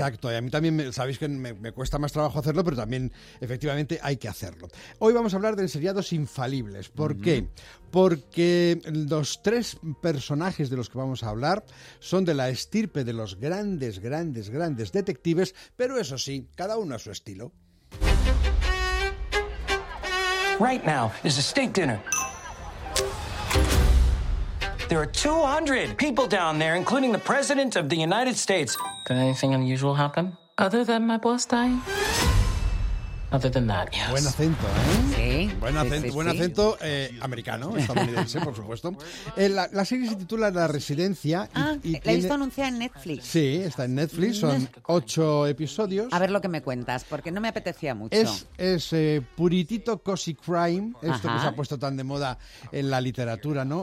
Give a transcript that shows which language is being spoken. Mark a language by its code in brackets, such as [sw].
[es] Exacto, y a mí también, sabéis que me cuesta más trabajo hacerlo, pero también efectivamente hay que hacerlo. Hoy vamos a hablar de enseriados infalibles. ¿Por qué? Porque los tres personajes de los que vamos a hablar son de la estirpe de los grandes, grandes, grandes detectives, pero eso sí, cada uno a su estilo. [en] Right now is a steak dinner. There are 200 people down there, including the President of the United States. Did anything unusual happen? Other than my boss dying? Other than that, yes. [es] Buen acento, ¿eh? Sí. Buen acento, americano, estadounidense, por supuesto. La serie se titula La Residencia. La he visto anunciada en Netflix. Sí, está en Netflix, son 8 episodios. A ver lo que me cuentas, porque no me apetecía mucho. Es puritito cozy crime, esto que se ha puesto tan de moda en la literatura, ¿no?